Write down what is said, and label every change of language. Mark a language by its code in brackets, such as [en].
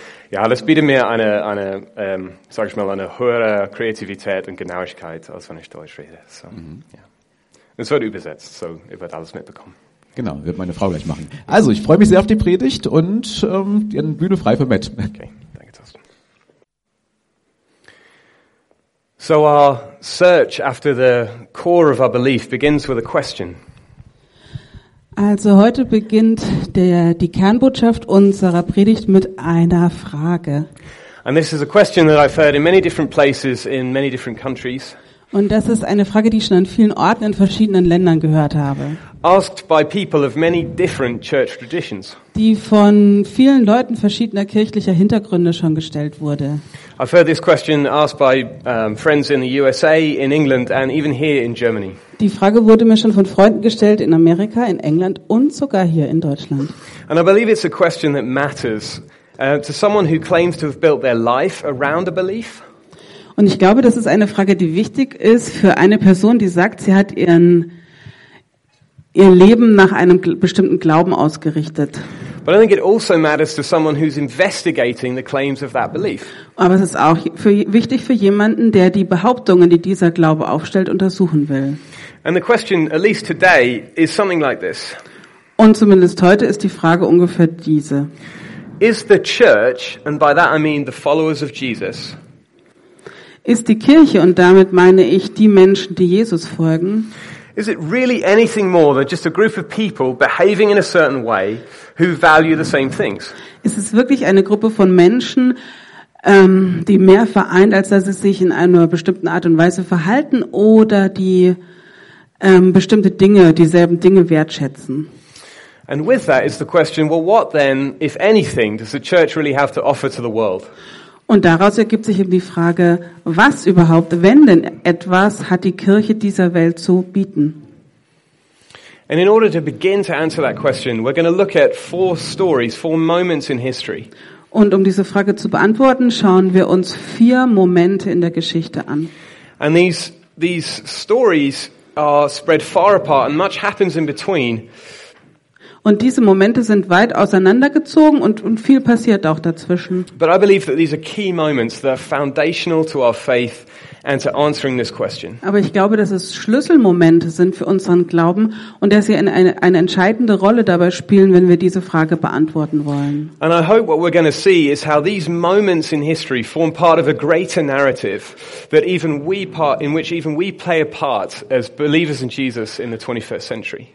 [de] Ja, das bietet mir eine höhere Kreativität und Genauigkeit, als wenn ich Deutsch rede. So. Mhm. Ja. Es wird übersetzt, so ihr werdet alles mitbekommen. Genau, wird meine Frau gleich machen. Also, ich freue mich sehr auf die Predigt und die Bühne frei für Matt. Okay, danke, Thorsten. [en] So, our search after the core of our belief begins with a question. [de] Also heute beginnt die Kernbotschaft unserer Predigt mit einer Frage. [en] And this is a question that I've heard in many different places in many different countries. [de] Und das ist eine Frage, die ich schon an vielen Orten in verschiedenen Ländern gehört habe. [en] Asked by people of many different church traditions. [de] Die von vielen Leuten verschiedener kirchlicher Hintergründe schon gestellt wurde. [en] I've heard this question asked by friends in the USA, in England and even here in Germany. [de] Die Frage wurde mir schon von Freunden gestellt in Amerika, in England und sogar hier in Deutschland. [en] And I believe it's a question that matters to someone who claims to have built their life around a belief. [de] Und ich glaube, das ist eine Frage, die wichtig ist für eine Person, die sagt, sie hat ihr Leben nach einem bestimmten Glauben ausgerichtet. [en] But I think it also matters to someone who's investigating the claims of that belief. [de] Aber es ist auch wichtig für jemanden, der die Behauptungen, die dieser Glaube aufstellt, untersuchen will. [en] And the question, at least today, is something like this. [de] Und zumindest heute ist die Frage ungefähr diese. [en] Is the church, and by that I mean the followers of Jesus. [de] Ist die Kirche, und damit meine ich die Menschen, die Jesus folgen. [en] Is it really anything more than just a group of people behaving in a certain way who value the same things? [de] Ist es wirklich eine Gruppe von Menschen, die mehr vereint, als dass sie sich in einer bestimmten Art und Weise verhalten oder die bestimmte Dinge, dieselben Dinge wertschätzen? [en] And with that is the question, well, what then, if anything, does the church really have to offer to the world? [de] Und daraus ergibt sich eben die Frage, was überhaupt, wenn denn etwas, hat die Kirche dieser Welt zu bieten? [en] And in order to begin to answer that question, we're going to look at four stories, four moments in history. [de] Und um diese Frage zu beantworten, schauen wir uns vier Momente in der Geschichte an. [en] And these stories are spread far apart and much happens in between. [de] Und diese Momente sind weit auseinandergezogen und viel passiert auch dazwischen. [en] But I believe that these are key moments that are foundational to our faith and to answering this question. [de] Aber ich glaube, dass es Schlüsselmomente sind für unseren Glauben und dass sie eine entscheidende Rolle dabei spielen, wenn wir diese Frage beantworten wollen. [en] And I hope what we're going to see is how these moments in history form part of a greater narrative that even we part in which even we play a part as believers in Jesus in the 21st century.